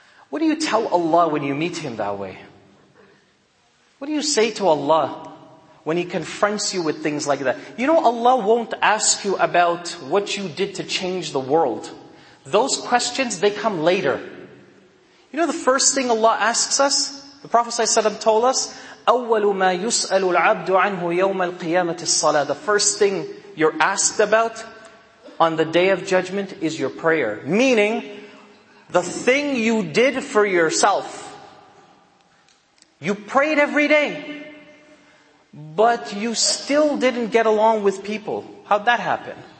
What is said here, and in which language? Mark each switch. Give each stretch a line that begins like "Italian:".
English: What do you tell Allah when you meet him that way? What do you say to Allah when he confronts you with things like that? You know, Allah won't ask you about what you did to change the world. Those questions, they come later. You know the first thing Allah asks us? The Prophet ﷺ told us,
Arabic: أَوَّلُ مَا يُسْأَلُ الْعَبْدُ عَنْهُ يَوْمَ الْقِيَامَةِ الصَّلَاةِ.
English: The first thing you're asked about on the day of judgment is your prayer. Meaning, the thing you did for yourself. You prayed every day, but you still didn't get along with people. How'd that happen?